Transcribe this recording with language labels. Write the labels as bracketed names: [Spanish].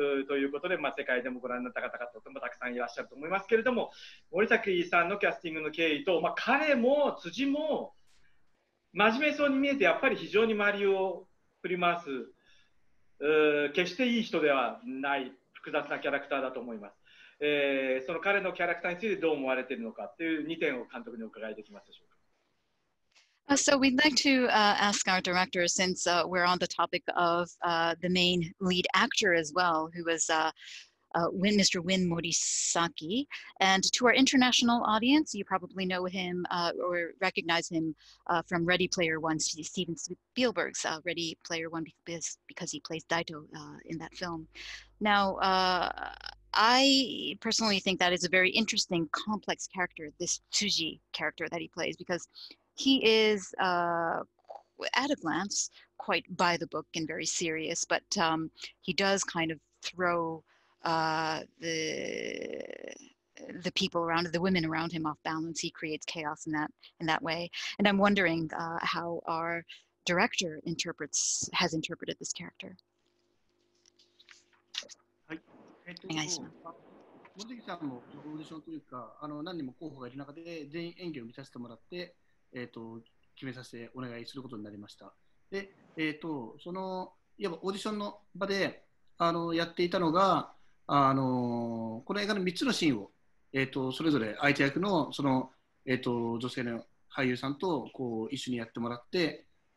[Japanese] ということで、まあ、世界でもご覧になった方がとてもたくさんいらっしゃると思いますけれども、森崎さんのキャスティングの経緯と、まあ、彼も辻も真面目そうに見えて、やっぱり非常に周りを振り回す決していい人ではない複雑なキャラクターだと思います。その彼のキャラクターについてどう思われているのかという2点を監督にお伺いできますでしょうか。 [English] So we'd like to ask our director, since we're on the topic of the main lead actor as well, who was Mr. Win Morisaki. And to our international audience, you probably know him or recognize him from Ready Player One, Steven Spielberg's Ready Player One, because he plays Daito in that film. Now, I personally think that is a very interesting, complex character, this Tsuji character that he plays, because he is, at a glance, quite by the book and very serious, but he does kind of throw the people around, the women around him off balance. He creates chaos in that way. And I'm wondering how our director has interpreted this character. [Japanese] はい。お願いします。森崎さんもオーディションというか、何人も候補がいる中で全員演技を見させてもらって、決めさせてお願いすることになりました。で、そのいわばオーディションの場でやっていたのが、この映画の3つのシーンを、それぞれ相手役 の、 その、女性の俳優さんとこう一緒にやってもらって